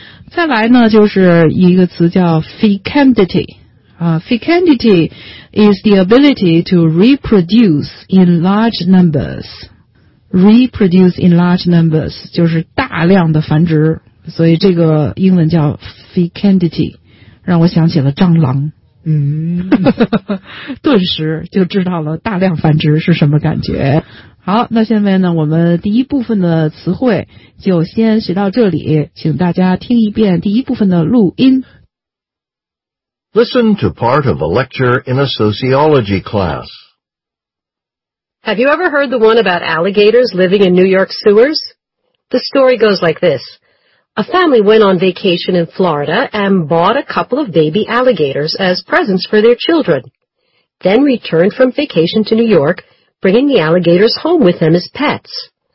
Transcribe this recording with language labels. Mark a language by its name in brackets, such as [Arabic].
[Chinese] 再来呢，就是一个词叫 fecundity， [English] fecundity is the ability to reproduce in large numbers， [Chinese] reproduce in large numbers 就是大量的繁殖，所以这个英文叫 fecundity， 让我想起了蟑螂，嗯，顿时就知道了大量繁殖是什么感觉。好，那现在呢，我们第一部分的词汇就先学到这里，请大家听一遍第一部分的录音。 [English] Listen to part of a lecture in a sociology class. Have you ever heard the one about alligators living in New York sewers? The story goes like this. A family went on vacation in Florida and bought a couple of baby alligators as presents for their children, then returned from vacation to New York,bringing the alligators home with them as pets.